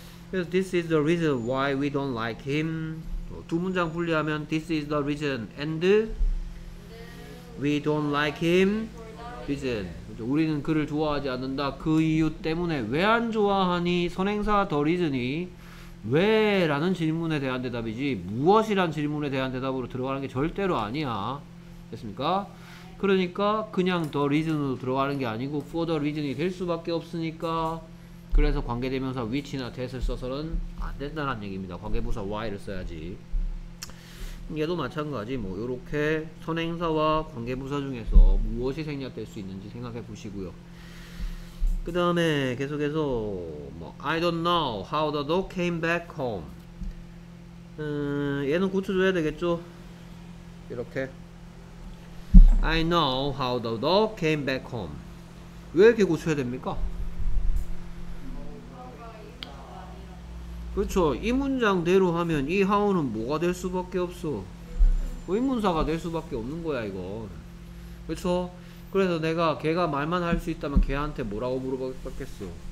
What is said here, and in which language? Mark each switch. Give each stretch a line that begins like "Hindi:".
English: 그래서 this is the reason why we don't like him.
Korean: 두 문장 분리하면
English: this is the reason and we don't like him. reason.
Korean: 우리는 그를 좋아하지 않는다. 그 이유 때문에 왜 안 좋아하니? 선행사 the reason이 왜? 라는 질문에 대한 대답이지 무엇이란 질문에 대한 대답으로 들어가는 게 절대로 아니야. 됐습니까? 그러니까 그냥 the reason으로 들어가는 게 아니고 for the reason이 될 수밖에 없으니까 그래서 관계대명사 which나 that을 써서는 안 된다는 얘기입니다. 관계부사 why를 써야지. 얘도 마찬가지 뭐 요렇게 선행사와 관계부사 중에서 무엇이 생략될 수 있는지 생각해 보시고요. 그 다음에 계속해서 뭐
English: I don't know how the dog came back home.
Korean: 얘는 고쳐줘야 되겠죠. 이렇게
English: I know how the dog came back home.
Korean: 왜 이렇게 고쳐야 됩니까? 그렇죠. 이 문장대로 하면 이 how는 뭐가 될 수밖에 없어. 의문사가 될 수밖에 없는 거야 이건. 그렇죠. 그래서 내가 걔가 말만 할 수 있다면 걔한테 뭐라고 물어봤겠어.